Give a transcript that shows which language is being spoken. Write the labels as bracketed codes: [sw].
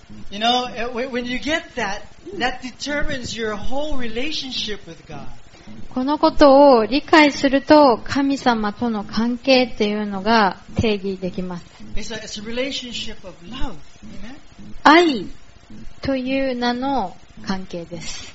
[en] You know, when you get that, that determines your whole relationship with God. [ja] このことを理解すると、神様との関係っていうのが定義できます。 [en] It's a relationship of love. [ja] 愛という名の関係です。